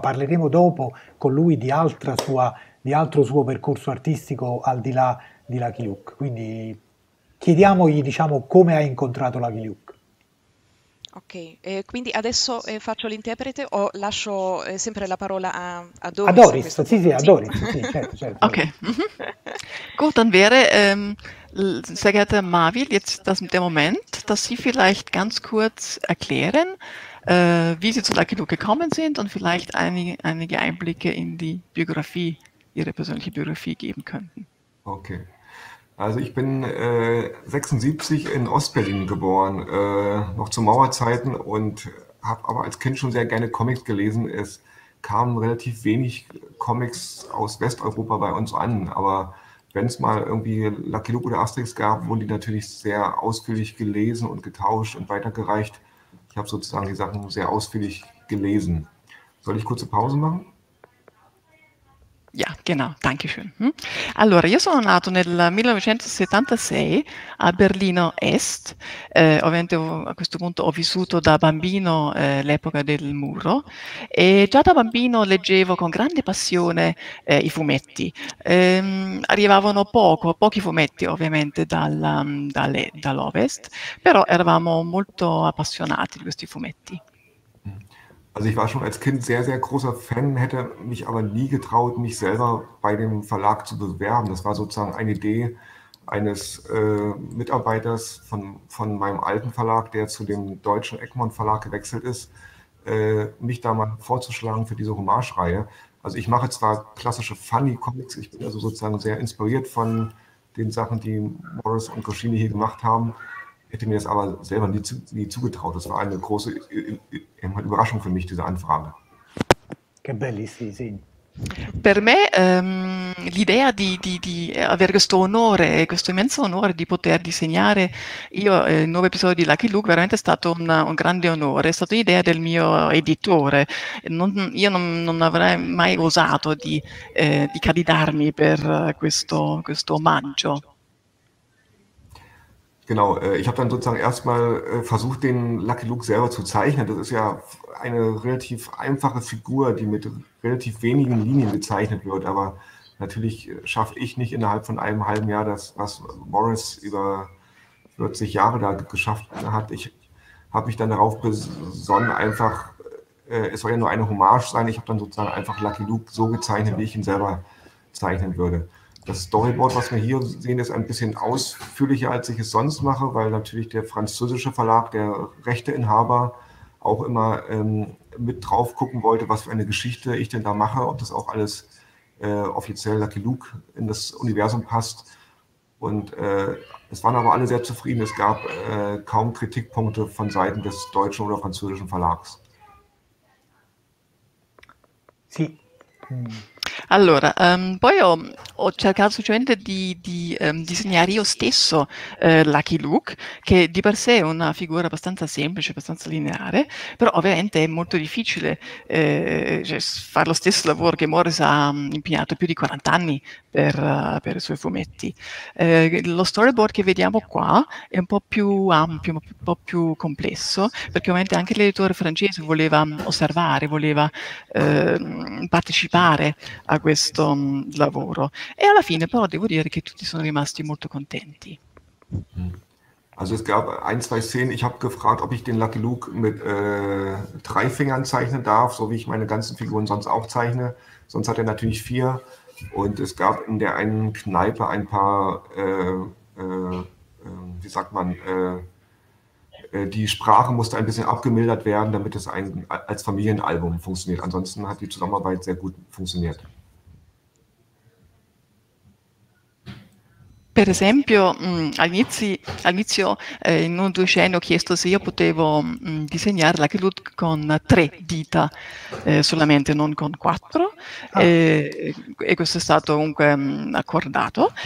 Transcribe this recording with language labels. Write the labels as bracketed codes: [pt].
[it] Parleremo dopo con lui di altra sua, di altro suo percorso artistico al di là di Lucky Luke, quindi chiediamogli, diciamo, come ha incontrato Lucky Luke. Ok, quindi adesso faccio l'interprete o lascio sempre la parola a Doris? A Doris, Doris, sì, certo. Ok. [de] Gut, dann wäre, sehr geehrter Marvel, jetzt das, der Moment, dass Sie vielleicht ganz kurz erklären, wie Sie zu Lucky Luke gekommen sind und vielleicht einige Einblicke in die Biografie, Ihre persönliche Biografie geben könnten. Okay. Also ich bin 76 in Ostberlin geboren, noch zu Mauerzeiten, und habe aber als Kind schon sehr gerne Comics gelesen. Es kamen relativ wenig Comics aus Westeuropa bei uns an, aber wenn es mal irgendwie Lucky Luke oder Asterix gab, wurden die natürlich sehr ausführlich gelesen und getauscht und weitergereicht. Ich habe sozusagen die Sachen sehr ausführlich gelesen. Soll ich kurze Pause machen? Ja, genau, danke schön. [it] Allora, io sono nato nel 1976 a Berlino Est, ovviamente a questo punto ho vissuto da bambino l'epoca del muro, e già da bambino leggevo con grande passione i fumetti. Arrivavano pochi fumetti ovviamente dall'Ovest, però eravamo molto appassionati di questi fumetti. [de] Also ich war schon als Kind sehr, sehr großer Fan, hätte mich aber nie getraut, mich selber bei dem Verlag zu bewerben. Das war sozusagen eine Idee eines Mitarbeiters von meinem alten Verlag, der zu dem deutschen Egmont Verlag gewechselt ist, mich da mal vorzuschlagen für diese Hommage-Reihe. Also ich mache zwar klassische Funny-Comics, ich bin also sozusagen sehr inspiriert von den Sachen, die Morris und Goscinny hier gemacht haben. Hätte mir das aber selber nie zugetraut. Das war eine große Überraschung für mich, diese Anfrage. [it] Che belli, sì, sì. Per me l'idea di avere questo onore, questo immenso onore di poter disegnare io il nuovo episodio di Lucky Luke, veramente è stato un grande onore, è stata l'idea del mio editore. Io non avrei mai osato di candidarmi per questo omaggio. [de] Genau, ich habe dann sozusagen erstmal versucht, den Lucky Luke selber zu zeichnen. Das ist ja eine relativ einfache Figur, die mit relativ wenigen Linien gezeichnet wird. Aber natürlich schaffe ich nicht innerhalb von einem halben Jahr das, was Morris über 40 Jahre da geschafft hat. Ich habe mich dann darauf besonnen, einfach, es soll ja nur eine Hommage sein. Ich habe dann sozusagen einfach Lucky Luke so gezeichnet, wie ich ihn selber zeichnen würde. Das Storyboard, was wir hier sehen, ist ein bisschen ausführlicher, als ich es sonst mache, weil natürlich der französische Verlag, der Rechteinhaber, auch immer mit drauf gucken wollte, was für eine Geschichte ich denn da mache, ob das auch alles offiziell Lucky Luke in das Universum passt. Und es waren aber alle sehr zufrieden. Es gab kaum Kritikpunkte von Seiten des deutschen oder französischen Verlags. Sie. [it] Allora, poi ho cercato semplicemente di disegnare io stesso Lucky Luke, che di per sé è una figura abbastanza semplice, abbastanza lineare, però ovviamente è molto difficile fare lo stesso lavoro che Morris ha impiegato più di 40 anni per i suoi fumetti. Lo storyboard che vediamo qua è un po' più ampio, un po' più complesso, perché ovviamente anche l'editore francese voleva osservare, voleva partecipare a questo lavoro. E alla fine però devo dire che tutti sono rimasti molto contenti. [de] Also es gab ein, zwei Szenen, ich habe gefragt, ob ich den Lucky Luke mit drei Fingern zeichnen darf, so wie ich meine ganzen Figuren sonst auch zeichne. Sonst hat er natürlich vier. Und es gab in der einen Kneipe ein paar, wie sagt man, die Sprache musste ein bisschen abgemildert werden, damit es als Familienalbum funktioniert. Ansonsten hat die Zusammenarbeit sehr gut funktioniert. [it] Per esempio, all'inizio in uno o due scene ho chiesto se io potevo disegnare la Lucky Luke con tre dita solamente, non con quattro, e questo è stato comunque accordato.